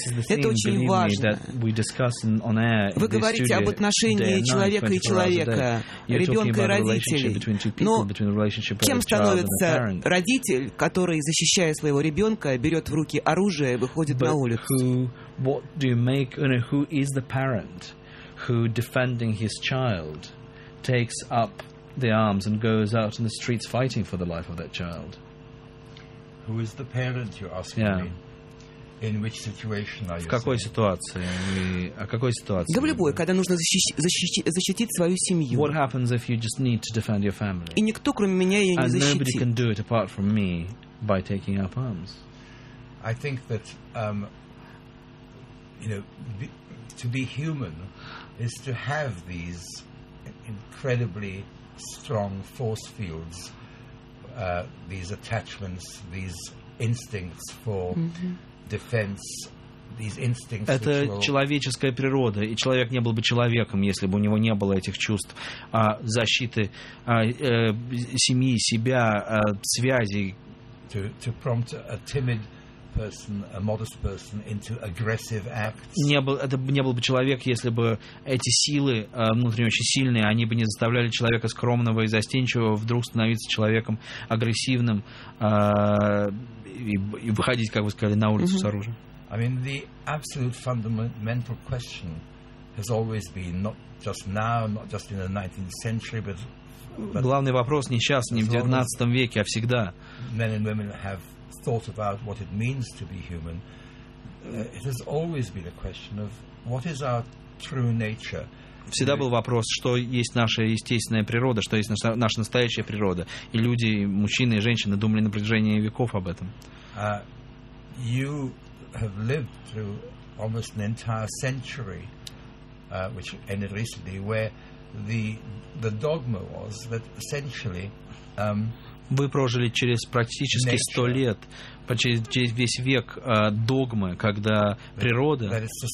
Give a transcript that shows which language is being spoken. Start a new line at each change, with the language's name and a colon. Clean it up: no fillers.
Russian: Это очень важно.
English: That we discuss on air.
Russian: Вы говорите об отношении человека и человека, ребенка и родителей. Но кем становится родитель, который, защищая своего ребенка, берет в руки оружие и выходит на улицу?
English: Who is the parent who, defending his child, takes up the arms and goes out in the streets fighting for the life of that child? Who is the parent, you're asking me? In which situation are you?
Russian: В какой ситуации? О какой ситуации? Да в любой, когда нужно защитить свою семью.
English: What happens if you just need to defend your family?
Russian: И никто, кроме меня, ее не защитит.
English: And nobody can do it apart from me by taking up arms. I think that to be human is to have these incredibly strong force fields, these attachments, these instincts for defense, these instincts.
Russian: Это человеческая природа, и человек не был бы человеком, если бы у него не было этих чувств защиты семьи, себя, связей.
English: To prompt a timid person, a modest person into aggressive acts.
Russian: Это не был бы человек, если бы эти силы внутренне очень сильные, они бы не заставляли человека скромного и застенчивого вдруг становиться человеком агрессивным. И выходить, как вы сказали, на улицу с оружием.
English: I mean, the absolute fundamental question has always been not just now, not just in the 19th century, but
Russian: главный вопрос не сейчас, не в 19 веке, а всегда.
English: Men and women have thought about what it means to be human. It has always been a question of what is our true nature.
Russian: Всегда был вопрос, что есть наша естественная природа, что есть наша настоящая природа. И люди, мужчины и женщины, думали на протяжении веков об этом.
English: You have lived through almost an entire century, which ended recently, where the dogma was that essentially
Russian: Вы прожили через практически 100 лет, почти весь век догмы, когда природа...